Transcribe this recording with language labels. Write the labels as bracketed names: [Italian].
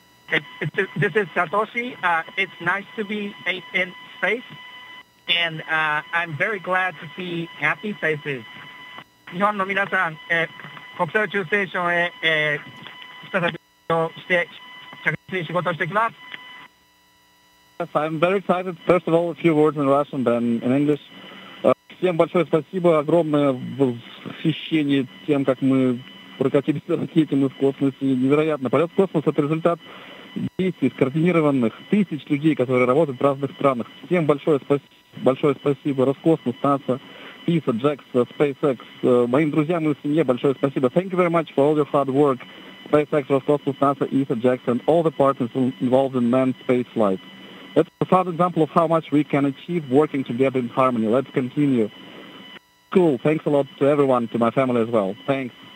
[English] This is Satoshi. It's nice to be in space, and I'm very glad to see happy faces. [Japanese] 日本の皆さん、国際宇宙ステーションへ、再び移動して着実に仕事をしていきます。 [English] Yes, I'm very excited. First of all, a few words in Russian, then in English. [Russian] Всем большое спасибо, огромное восхищение тем, как мы прокатились на ракете, мы в космосе. Невероятно. Полет в космос – это результат действий скоординированных тысяч людей, которые работают в разных странах. Всем большое спасибо. Роскосмос, НАСА, ИСА, JAXA, SpaceX, моим друзьям и семье большое спасибо. [English] Thank you very much for all your hard work. SpaceX, Roscosmos, NASA, ESA, JAXA, and all the partners involved in manned space flight. That's a solid example of how much we can achieve working together in harmony. Let's continue. Cool. Thanks a lot to everyone, to my family as well. Thanks.